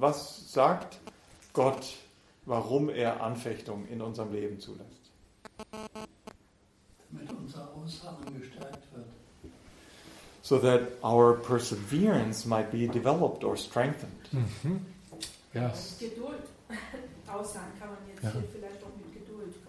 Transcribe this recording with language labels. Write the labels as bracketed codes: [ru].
[de] Was sagt Gott, warum er Anfechtung in unserem Leben zulässt? Damit unser Ausharren gestärkt wird. [en] So that our perseverance might be developed or strengthened. Mm-hmm. Yes. [de] Geduld. Ausharren kann man jetzt hier vielleicht auch mit Geduld.